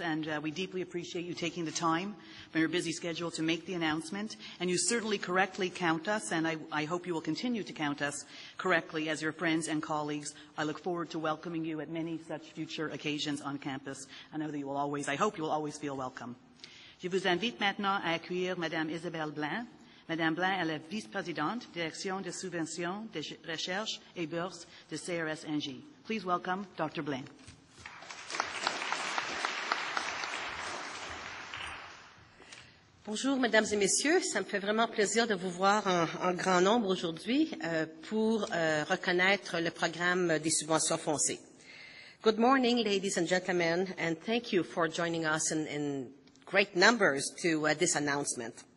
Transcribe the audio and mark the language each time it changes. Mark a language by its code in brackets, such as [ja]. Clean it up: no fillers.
[en] And we deeply appreciate you taking the time from your busy schedule to make the announcement. And you certainly correctly count us, and I hope you will continue to count us correctly as your friends and colleagues. I look forward to welcoming you at many such future occasions on campus. I know that you will always, I hope you will always feel welcome. [fr] Je vous invite maintenant à accueillir Madame Isabelle Blain. Madame Blain est la vice-présidente, direction de subvention de recherche et bourse de CRS-NG. [en] Please welcome Dr. Blain. [fr] Bonjour, mesdames et messieurs. Ça me fait vraiment plaisir de vous voir en grand nombre aujourd'hui pour reconnaître le programme des subventions foncées. [en] Good morning, ladies and gentlemen, and thank you for joining us in great numbers to this announcement.